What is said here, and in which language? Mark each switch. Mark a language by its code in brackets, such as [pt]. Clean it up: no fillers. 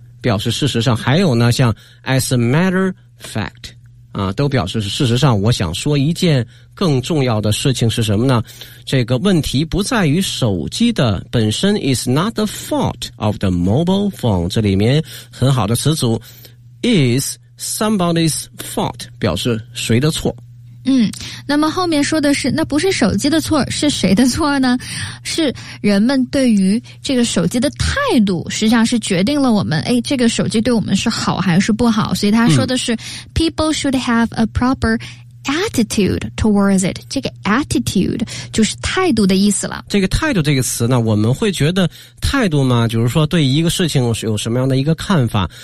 [zh] 表示事实上，还有呢像 [en] as a matter fact [zh] 啊，都表示事实上。我想说一件更重要的事情是什么呢，这个问题不在于手机的本身， [en] is not the fault of the mobile phone， [zh] 这里面很好的词组 [en] isSomebody's fault [zh] 表示谁的错。那么后面说的是，那不是手机的错，是谁的错呢？是人们对于这个手机的态度，实际上是决定了我们，哎，这个手机对我们是好还是不好。所以他说的是、 [en] people should have a proper attitude towards it。 [zh] 这个 attitude 就是态度的意思了。这个态度这个词呢，我们会觉得态度嘛，就是说对一个事情有什么样的一个看法。